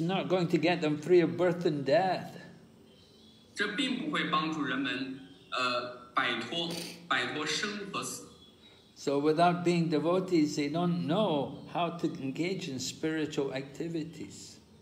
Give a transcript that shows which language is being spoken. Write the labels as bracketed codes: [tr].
[en] not going to get them free of birth and death. [zh] 这并不会帮助人们摆脱生和死。 [en] So without being devotees, they don't know how to engage in spiritual activities.